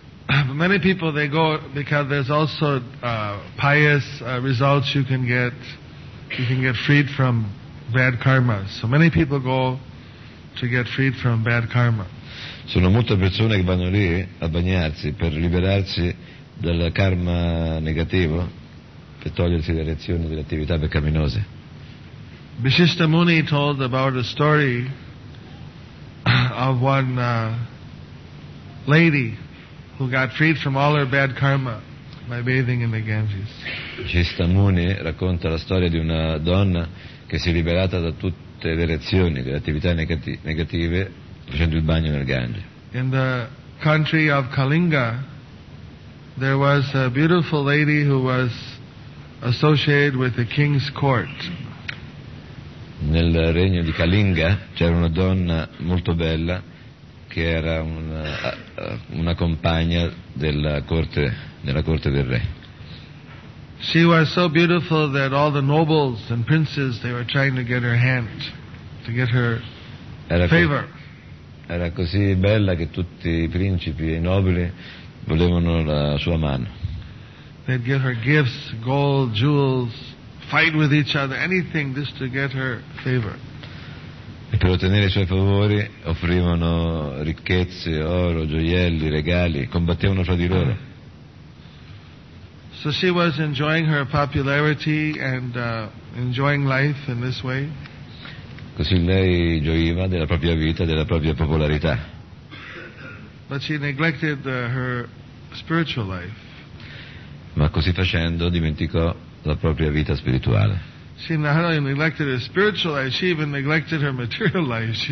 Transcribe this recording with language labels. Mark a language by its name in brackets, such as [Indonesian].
[English] But many people they go because there's also pious results you can get. You can get freed from bad karma. So many people go to get freed from bad karma. [Italian] Sono molte persone che vanno lì a bagnarsi per liberarsi dal karma negativo, per togliersi le reazioni delle attività peccaminose. [English] Vishishta Muni told about a story of one lady who got freed from all her bad karma by bathing in the Ganges. [Italian] Vishishta Muni racconta la storia di una donna che si è liberata da tutto le reazioni delle attività negative facendo il bagno nel Gange. [English] In the country of Kalinga there was a beautiful lady who was associated with the king's court. [Italian] Nel regno di Kalinga c'era una donna molto bella che era una compagna della corte del re. [English] She was so beautiful that all the nobles and princes they were trying to get her hand. To get her favor. [Italian] Era così bella che tutti i principi e i nobili volevano la sua mano. [English] They'd give her gifts, gold, jewels, fight with each other, anything just to get her favor. [Italian] E per ottenere i suoi favori offrivano ricchezze, oro, gioielli, regali, combattevano fra di loro. [English] So she was enjoying her popularity and enjoying life in this way. [Italian] Così lei gioiva della propria vita, della propria popolarità. [English] But she neglected her spiritual life. [Italian] Ma così facendo dimenticò la propria vita spirituale. [English] She not only neglected her spiritual life, she even neglected her material life.